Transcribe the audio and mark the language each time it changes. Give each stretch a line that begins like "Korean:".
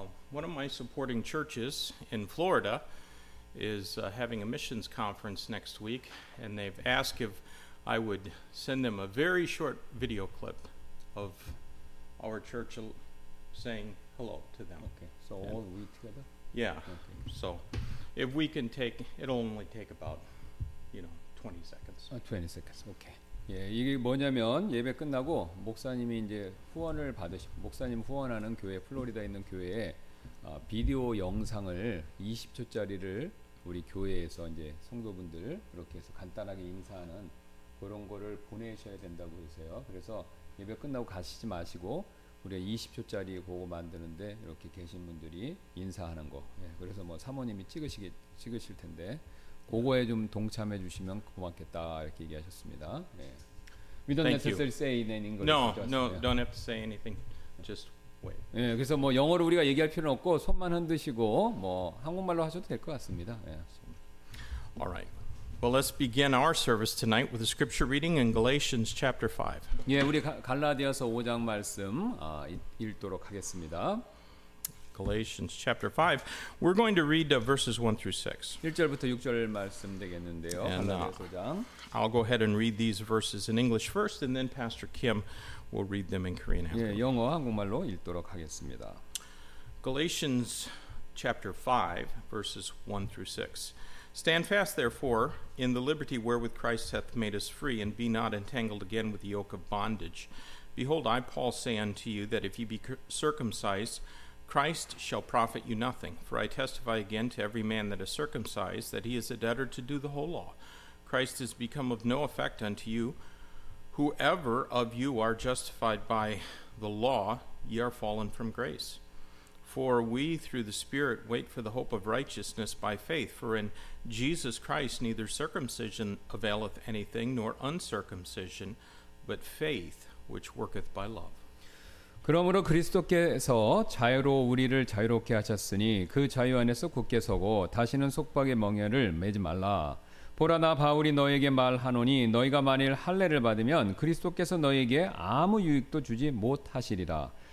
English: One of my supporting churches in Florida is having a missions conference next week, and they've asked if I would send them a very short video clip of our church saying hello to them. Okay, so all we together? Yeah, okay. So if we can take, it'll only take about, 20 seconds. 20 seconds, okay.
Korean: 예, 이게 뭐냐면 예배 끝나고 목사님이 이제 후원을 받으신 목사님 후원하는 교회 플로리다에 있는 교회에 비디오 영상을 20초짜리를 우리 교회에서 이제 성도분들 이렇게 해서 간단하게 인사하는 그런 거를 보내셔야 된다고 하세요. 그래서 예배 끝나고 가시지 마시고 우리 20초짜리 그거 만드는데 이렇게 계신 분들이 인사하는 거. 예, 그래서 뭐 사모님이 찍으실 텐데 그거에 좀 동참해 주시면 고맙겠다 이렇게 얘기하셨습니다. 네.
English: We don't Thank necessarily you. Say in English. No, no, don't have to say anything. Just wait.
Korean: 네, 그래서 뭐 영어로 우리가 얘기할 필요는 없고 손만 흔드시고 뭐 한국말로 하셔도 될 것 같습니다. 네.
English: All right. Well, let's begin our service tonight with a scripture reading in Galatians chapter 5.
Korean: 예, 우리 갈라디아서 5장 말씀 읽도록 하겠습니다.
English: Galatians chapter 5. We're going to read verses 1 through 6.
Korean: 1절부터 6절 말씀 되겠는데요.
English: And, I'll go ahead and read these verses in English first, and then Pastor Kim will read them in Korean.
Korean: 예, 영어 한국말로 읽도록 하겠습니다.
English: Galatians chapter 5, verses 1 through 6. Stand fast, therefore, in the liberty wherewith Christ hath made us free, and be not entangled again with the yoke of bondage. Behold, I, Paul, say unto you that if ye be circumcised, Christ shall profit you nothing. For I testify again to every man that is circumcised that he is a debtor to do the whole law. Christ is become of no effect unto you. Whoever of you are justified by the law, ye are fallen from grace. For we through the Spirit wait for the hope of righteousness by faith. For in Jesus Christ neither circumcision availeth anything nor uncircumcision, but faith which worketh by love.
Korean: 그러므로 그리스도께서 자유로 우리를 자유롭게 하셨으니 그 자유 안에서 굳게 서고 다시는 속박의 멍에를 메지 말라. 보라 나 바울이 너에게 말하노니 너희가 만일 할례를 받으면 그리스도께서 너희에게 아무 유익도 주지 못하시리라.